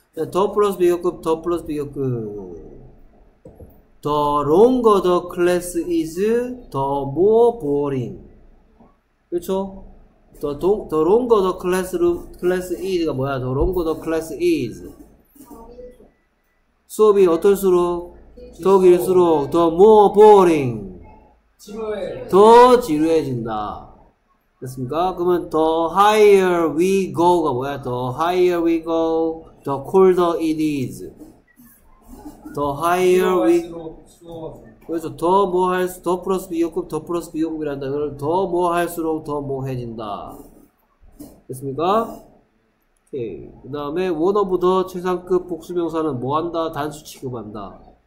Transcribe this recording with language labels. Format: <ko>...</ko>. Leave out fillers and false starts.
<ko>더 플러스 비교급, 더 플러스 비교급.</ko> <en>The longer the class is, the more boring.</en> <ko>그렇죠?</ko> <en>The longer the class is가 뭐야? The longer the class is.</en> <ko>수업이 어떨수록? 더 길수록 더 more boring. 더 지루해진다. 됐습니까? 그러면</ko> <en>the higher we go가 뭐야? The higher we go, the colder it is. The higher we go.</en> <ko>그래서 더 뭐 할 수, 더 플러스 비교급, 더 플러스 비교급이란다. 그걸 더 뭐 할수록 더 뭐 해진다. 됐습니까? 오케이. 그 다음에 one of the 최상급 복수명사는 뭐 한다? 단수 취급한다.</ko>